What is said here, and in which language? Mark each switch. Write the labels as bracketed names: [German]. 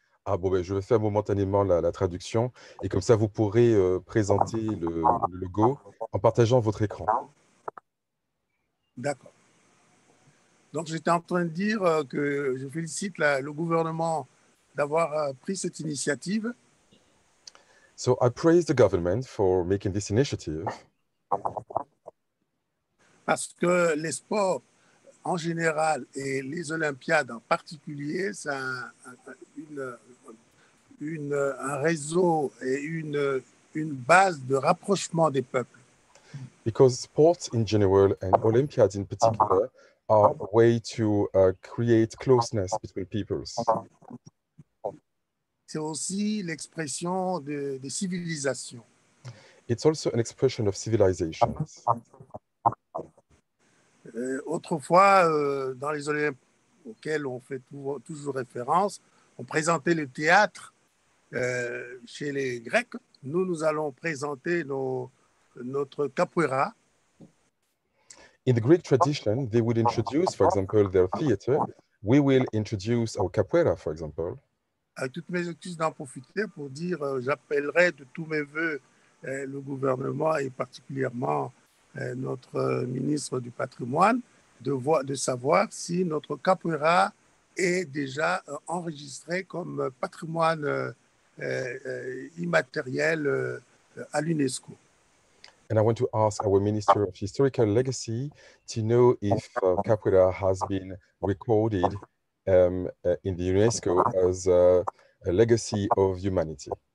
[French] Ah bon, ben, je vais faire momentanément la traduction, et comme ça, vous pourrez présenter le logo en partageant votre écran. D'accord. Donc, j'étais en train de dire que je félicite le gouvernement d'avoir pris cette initiative. [English] So I praise the government for making this initiative. [French] Parce que les sports en général et les Olympiades en particulier, c'est un réseau et une base de rapprochement des peuples. [English] Because sports in general and Olympiads in particular are a way to create closeness between peoples. [French] C'est aussi l'expression de civilisation. [English] It's also an expression of civilization. [French] Autrefois, dans les Olympiades auxquelles on fait toujours référence, on présentait le théâtre chez les Grecs. Nous allons présenter notre capoeira. [English] In the Greek tradition, they would introduce, for example, their theater. We will introduce our capoeira, for example. [French] Avec toutes mes excuses d'en profiter pour dire j'appellerai de tous mes voeux le gouvernement et particulièrement notre ministre du patrimoine de savoir si notre capoeira est déjà enregistrée comme patrimoine immatériel à l'UNESCO. [English] And I want to ask our Minister of Historical Legacy to know if capoeira has been recorded in the UNESCO as a legacy of humanity.